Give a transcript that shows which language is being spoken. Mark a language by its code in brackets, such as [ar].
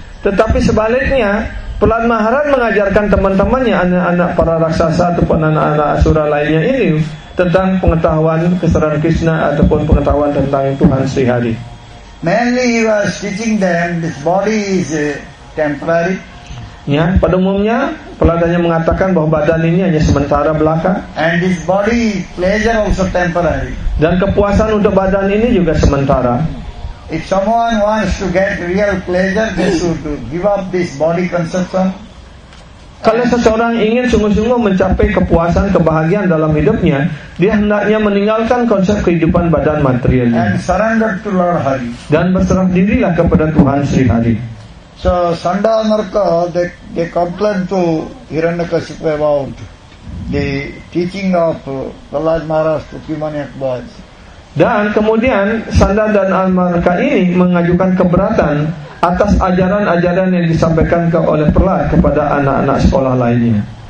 [id] Tetapi sebaliknya, Prahlad Maharaj mengajarkan teman-temannya, anak-anak para raksasa ataupun anak-anak asura lainnya ini tentang pengetahuan keserahan Krishna ataupun pengetahuan tentang Tuhan Sri Hari. [en] Mainly he was teaching them this body is temporary. [id] Ya, pada umumnya pelatihnya mengatakan bahwa badan ini hanya sementara belaka. [en] And this body pleasure also temporary. [id] Dan kepuasan untuk badan ini juga sementara. [en] If someone wants to get real pleasure, they should give up this body conception. [id] Kalau seseorang ingin sungguh-sungguh mencapai kepuasan, kebahagiaan dalam hidupnya, dia hendaknya meninggalkan konsep kehidupan badan materialnya. [en] And surrender to Lord Hari. [id] Dan berserah dirilah kepada Tuhan Sri Hari. [en] So Sanda Amarka, they complained to Hiranyakashipu about the teaching of Prahlad Maharaj to demoniac boys. [id] Dan kemudian Sanda dan Amarka ini mengajukan keberatan atas ajaran-ajaran yang disampaikan oleh Prahlad kepada anak-anak sekolah lainnya.